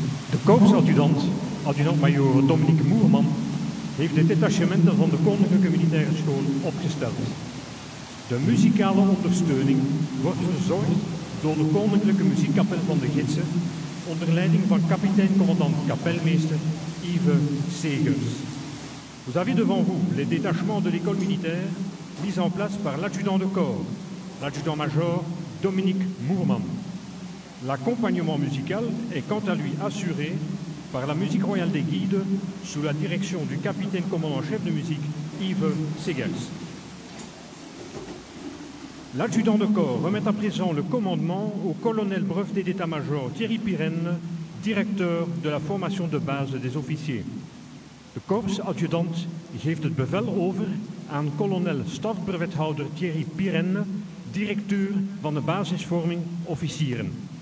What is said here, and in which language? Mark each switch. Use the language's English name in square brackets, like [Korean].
[Dutch] De korpsadjudant, adjudant-majoor Dominique Moerman, heeft het detachement van de Koninklijke Militaire School opgesteld. De muzikale ondersteuning wordt verzorgd door de Koninklijke Muziekkapel van de Gidsen, onder leiding van kapitein-commandant-kapelmeester Yves Segers. [French] Vous avez devant vous les détachements de l'école militaire mis en place par l'adjudant de corps, l'adjudant-major Dominique Moerman. L'accompagnement musical est quant à lui assuré par la musique royale des guides sous la direction du capitaine-commandant-chef de musique Yves Segers. L'adjudant de corps remet à présent le commandement au colonel breveté d'état-major Thierry Pirenne, directeur de la formation de base des officiers. [Dutch] De korpsadjudant geeft het bevel over aan kolonel stafbrevethouder Thierry Pirenne, directeur van de basisvorming officieren.